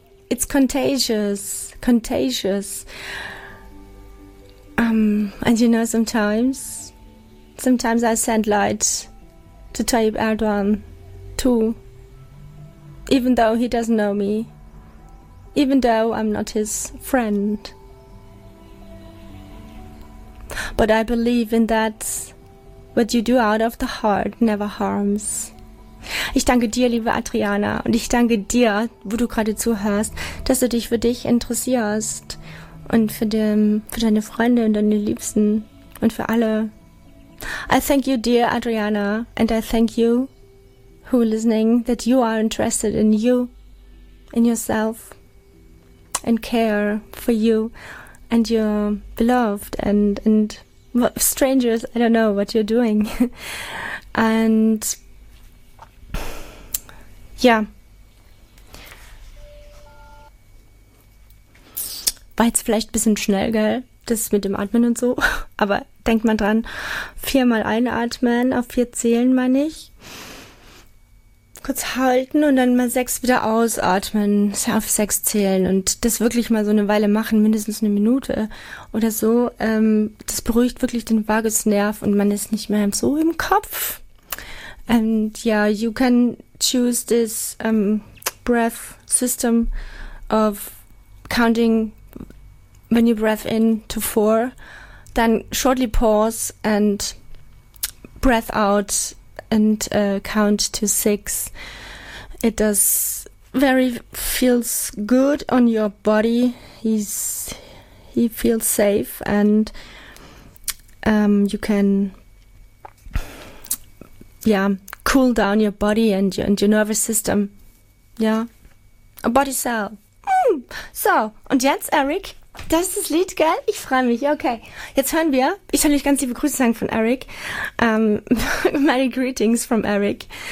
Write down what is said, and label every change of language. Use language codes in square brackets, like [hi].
[en] It's contagious, contagious. And you know, sometimes I send light to Tayyip Erdogan, too. Even though he doesn't know me. Even though I'm not his friend. But I believe in that what you do out of the heart never harms. [de] Ich danke dir, liebe Adriana, und ich danke dir, wo du gerade zuhörst, dass du dich für dich interessierst und für deine Freunde und deine Liebsten und für alle. [en] I thank you, dear Adriana, and I thank you who are listening, that you are interested in you, in yourself, and care for you and your beloved and strangers. I don't know what you're doing. And ja. [de] War jetzt vielleicht ein bisschen schnell, gell? Das mit dem Atmen und so. Aber denkt mal dran. 4-mal einatmen, auf 4 zählen, meine ich. Kurz halten und dann mal 6 wieder ausatmen. Auf 6 zählen. Und das wirklich mal so eine Weile machen, mindestens eine Minute oder so. Das beruhigt wirklich den Vagusnerv und man ist nicht mehr so im Kopf. [en] And yeah, you can choose this breath system of counting when you breath in to 4, then shortly pause and breath out and count to 6. It does very feels good on your body. He feels safe, and you can, yeah, cool down your body and your nervous system. Ja. A body cell. [de] So, und jetzt, Eric, das ist das Lied, gell? Ich freue mich, okay. Jetzt hören wir, ich soll euch ganz liebe Grüße sagen von Eric. [en] Many greetings from Eric.